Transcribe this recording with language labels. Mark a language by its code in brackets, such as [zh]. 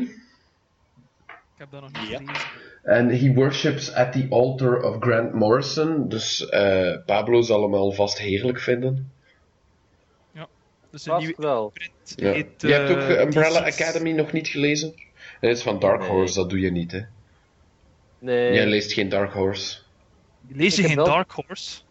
[nl] Ik heb dat nog niet gezien. [en] En he worships at the altar of Grant Morrison. [nl] Dus Pablo zal hem alvast heerlijk vinden. Ja, dus een nieuwe wel. Ja. Je hebt ook Umbrella Academy nog niet gelezen? Het is van Dark Horse, dat doe je niet, hè? Nee. Jij leest geen Dark Horse. Lees je geen wel... Dark Horse?